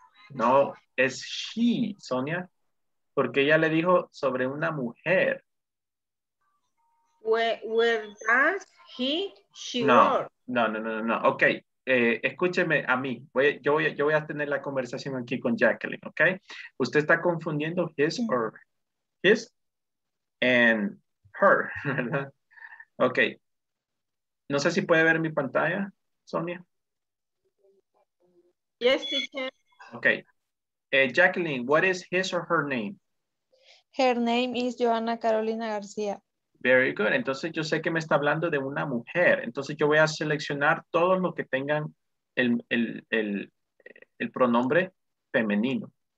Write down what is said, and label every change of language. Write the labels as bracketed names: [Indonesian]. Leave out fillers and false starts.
[Spanish] No, es she, Sonia, porque ella le dijo sobre una mujer. [English] Where does she work? [Spanish] Ok, escúcheme a mí. Yo voy a tener la conversación aquí con Jacqueline, ok? Usted está confundiendo [English] his or his and her, [Spanish] ¿verdad? Ok. No sé si puede ver mi pantalla, Sonia. [English] Yes, teacher. Ok. Jacqueline, what is his or her name? Her name is Joanna Carolina García. Very good. [Spanish] Entonces yo sé que me está hablando de una mujer. Entonces yo voy a seleccionar todos los que tengan el pronombre femenino.